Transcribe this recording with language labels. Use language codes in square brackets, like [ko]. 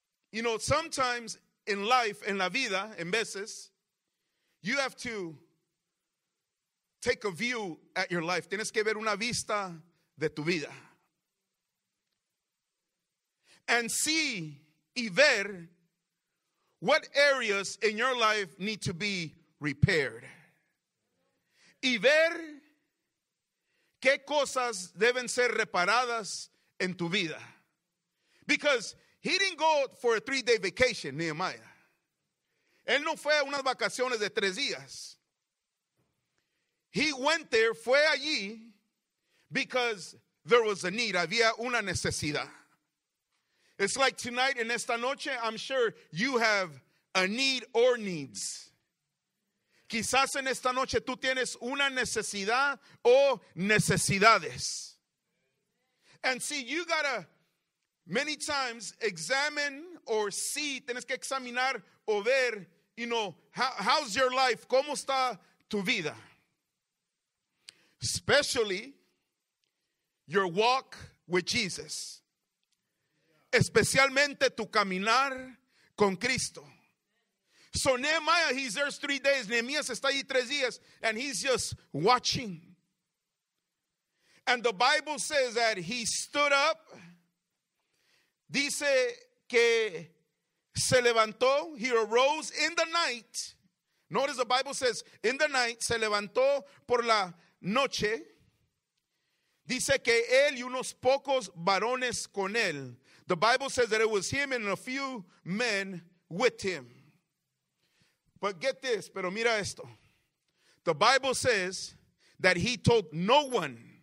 [en] You know, sometimes in life, [es] en la vida, en veces, [en] you have to take a view at your life. [es] Tienes que ver una vista de tu vida. [en] And see [es] y ver [en] what areas in your life need to be repaired. [es] Y ver qué cosas deben ser reparadas en tu vida. [en] Because he didn't go for a 3-day vacation, Nehemiah. [es] Él no fue a unas vacaciones de 3 días. [en] He went there, [es] fue allí, [en] because there was a need. [es] Había una necesidad. [en] It's like tonight, [es] en esta noche, [en] I'm sure you have a need or needs. [es] Quizás en esta noche tú tienes una necesidad o necesidades. [en] And see, you gotta many times examine or see, [es] tienes que examinar o ver, [en] you know, how's your life, [es] cómo está tu vida. [en] Especially your walk with Jesus. [es] Especialmente tu caminar con Cristo. [en] So Nehemiah, he's there 3 days. [es] Nehemiah está ahí 3 días. [en] And he's just watching. And the Bible says that he stood up. [es] Dice que se levantó. [en] He arose in the night. Notice the Bible says, in the night, [es] se levantó por la noche. Dice que él y unos pocos varones con él. [en] The Bible says that it was him and a few men with him. But get this, [es] pero mira esto. [en] The Bible says that he told no one.